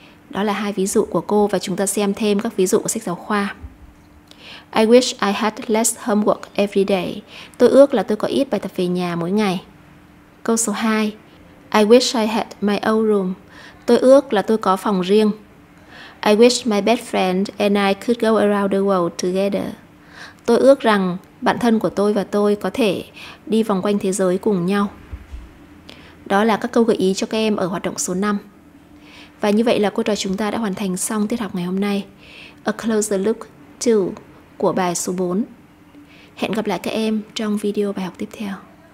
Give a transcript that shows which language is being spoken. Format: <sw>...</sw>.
<vi>Đó là hai ví dụ của cô và chúng ta xem thêm các ví dụ của sách giáo khoa.</vi> <en>I wish I had less homework every day.</en> <vi>Tôi ước là tôi có ít bài tập về nhà mỗi ngày. Câu số 2,</vi> <en>I wish I had my own room.</en> <vi>Tôi ước là tôi có phòng riêng.</vi> <en>I wish my best friend and I could go around the world together.</en> <vi>Tôi ước rằng bạn thân của tôi và tôi có thể đi vòng quanh thế giới cùng nhau. Đó là các câu gợi ý cho các em ở hoạt động số 5. Và như vậy là cô trò chúng ta đã hoàn thành xong tiết học ngày hôm nay.</vi> <en>A closer look to</en> <vi>của bài số 4. Hẹn gặp lại các em trong video bài học tiếp theo.</vi>